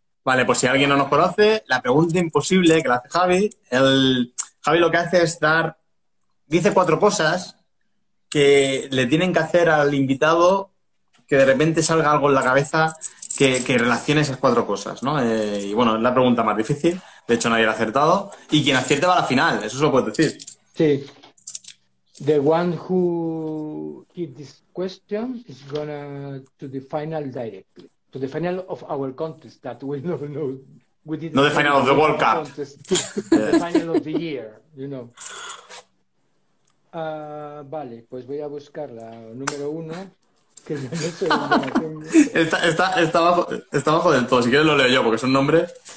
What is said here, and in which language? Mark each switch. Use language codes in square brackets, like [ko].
[es] Vale, pues si alguien no nos conoce, la pregunta imposible que la hace Javi, Javi lo que hace es dar, dice cuatro cosas que le tienen que hacer al invitado que de repente salga algo en la cabeza que relacione esas cuatro cosas, ¿no? Y bueno, es la pregunta más difícil, de hecho nadie la ha acertado, y quien acierte va a la final, eso se lo puedes decir. Sí. [en] The one who hit this question is gonna to the final directly. To the final of our contest that we don't know. We didn't no, the final of the World Cup. Contest, the final of the year, you know. [es] Vale, pues voy a buscar la número uno. Que no sé, está bajo del todo. Si quieres lo leo yo, porque es un nombre.